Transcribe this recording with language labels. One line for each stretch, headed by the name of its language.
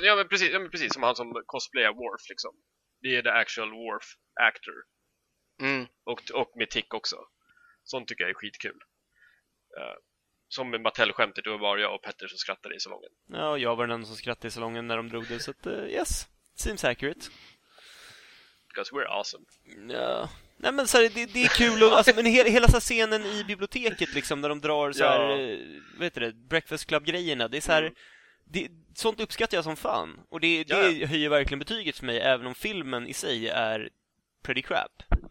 Swedish: Ja, men precis, som han som cosplayar Worf liksom. Det är
English: the actual Worf actor.
Swedish: Mm. Och med Tick också. Sånt tycker jag är skitkul. Som med Mattel-skämtet, då var jag och Petter som skrattade i salongen. Ja, och jag var den som skrattade i salongen när de drog det. Så att,
English: yes, seems accurate. Because we're awesome.
Swedish: Ja. Nej, men så här, det är kul. Och, alltså, men hela så här, scenen i biblioteket, liksom, när de drar så här, ja, vet du det, Breakfast Club-grejerna. Det är så här, det, sånt uppskattar jag som fan. Och det höjer verkligen betyget för mig, även om filmen i sig är
English: pretty crap.